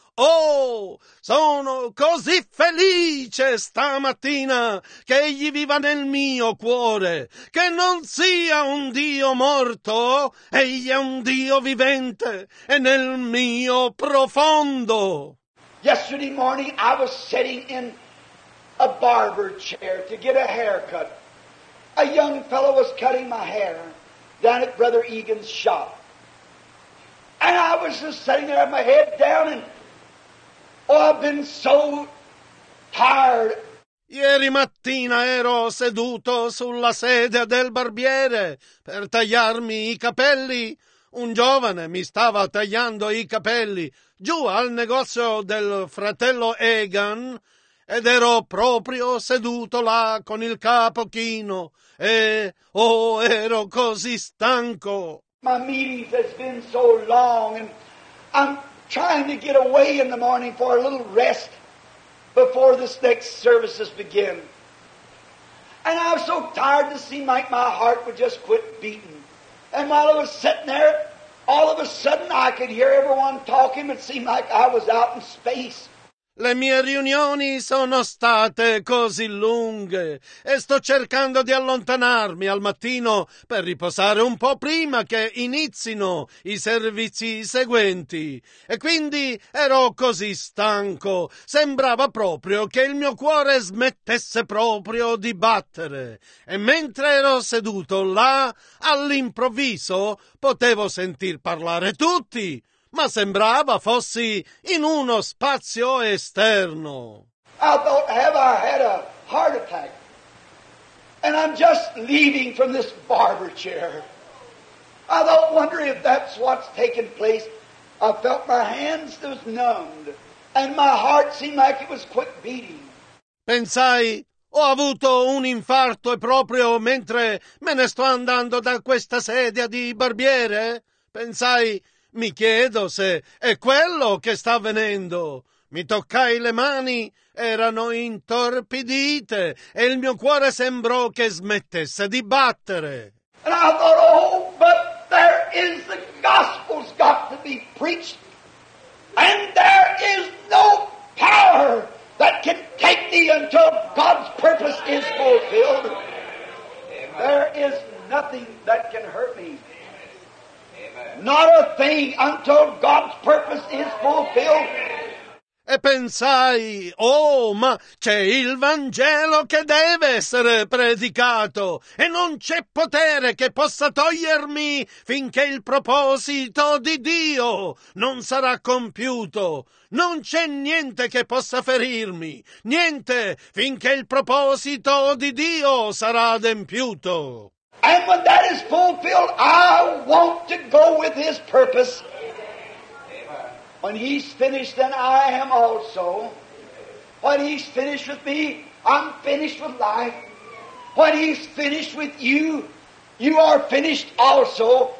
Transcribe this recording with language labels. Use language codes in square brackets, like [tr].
[it] Oh, sono così felice stamattina che egli viva nel mio cuore, che non sia un Dio morto, egli è un Dio vivente e nel mio profondo. [en] Yesterday morning I was sitting in a barber chair to get a haircut. A young fellow was cutting my hair down at Brother Egan's shop. And I was just sitting there with my head down and oh, I've been so tired. [it] Ieri mattina ero seduto sulla sedia del barbiere per tagliarmi i capelli. Un giovane mi stava tagliando i capelli giù al negozio del fratello Egan ed ero proprio seduto là con il capo chino e oh, ero così stanco. [en] My meetings has been so long and I'm trying to get away in the morning for a little rest before this next services begin. And I was so tired to see like my heart would just quit beating. And while I was sitting there, all of a sudden I could hear everyone talking. It seemed like I was out in space. [it] Le mie riunioni sono state così lunghe e sto cercando di allontanarmi al mattino per riposare un po' prima che inizino i servizi seguenti. E quindi ero così stanco, sembrava proprio che il mio cuore smettesse proprio di battere. E mentre ero seduto là, all'improvviso potevo sentir parlare tutti. Ma sembrava fossi in uno spazio esterno. [en] I thought, have I had a heart attack? And I'm just leaving from this barber chair. I don't wonder if that's what's taking place. I felt my hands was numbed, and my heart seemed like it was quick beating. [it] Pensai, ho avuto un infarto e proprio mentre me ne sto andando da questa sedia di barbiere, pensai, mi chiedo se è quello che sta avvenendo. Mi toccai le mani, erano intorpidite, e il mio cuore sembrò che smettesse di battere. [en] And I thought, oh, but there is the gospel's got to be preached, and there is no power that can take thee until God's purpose is fulfilled. Amen. There is nothing that can hurt me. Amen. Not a thing until God's purpose is fulfilled. [it] E pensai, oh, ma c'è il Vangelo che deve essere predicato e non c'è potere che possa togliermi finché il proposito di Dio non sarà compiuto. Non c'è niente che possa ferirmi, niente finché il proposito di Dio sarà adempiuto. [en] And when that is fulfilled, I want to go with His purpose. When He's finished, then I am also. When He's finished with me, I'm finished with life. When He's finished with you, you are finished also.